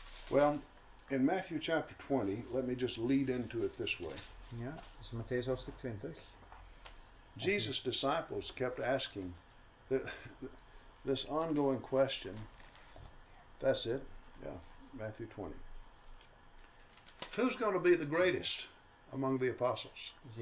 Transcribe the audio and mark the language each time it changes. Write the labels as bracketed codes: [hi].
[en] Well, in Matthew chapter 20, let me just lead into it this way. [nl] Ja, dus Matthäus hoofdstuk 20. [en] Jesus' disciples kept asking this ongoing question. That's it. Yeah, Matthew 20. Who's going to be the greatest among the apostles?